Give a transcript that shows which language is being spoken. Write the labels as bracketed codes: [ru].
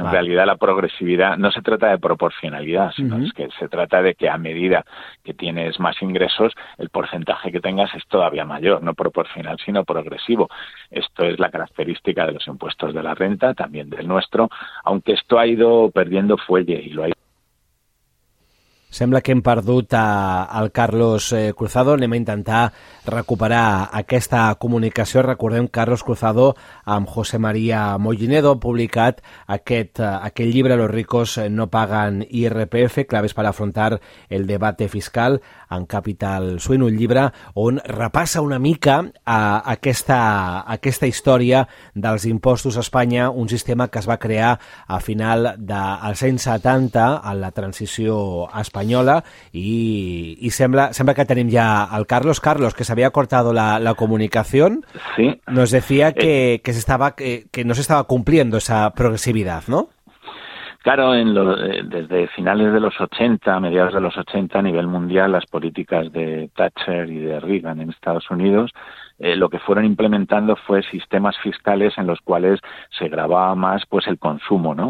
[es] En realidad, la progresividad no se trata de proporcionalidad, sino es que se trata de que a medida que tienes más ingresos, el porcentaje que tengas es todavía mayor, no proporcional, sino progresivo. Esto es la característica de los impuestos de la renta, también del nuestro, aunque esto ha ido perdiendo fuelle y lo ha ido. [ca] Sembla que hem perdut al Carlos Cruzado. Anem a intentar recuperar aquesta comunicació. Recordem, Carlos Cruzado amb José María Mollinedo ha publicat aquest llibre Los ricos no pagan IRPF, claves per afrontar el debate fiscal en Capital Suïn, un llibre on repassa una mica aquesta història dels impostos a Espanya, un sistema que es va crear a final dels anys 70 en la transició espanyola. [es] Y [ca] sembla que [es] tenemos ya al Carlos. Carlos, que se había cortado la comunicación, sí. Nos decía que no se estaba cumpliendo esa progresividad, ¿no? Claro, desde finales de los 80, mediados de los 80, a nivel mundial, las políticas de Thatcher y de Reagan en Estados Unidos, lo que fueron implementando fue sistemas fiscales en los cuales se grababa más pues el consumo, ¿no?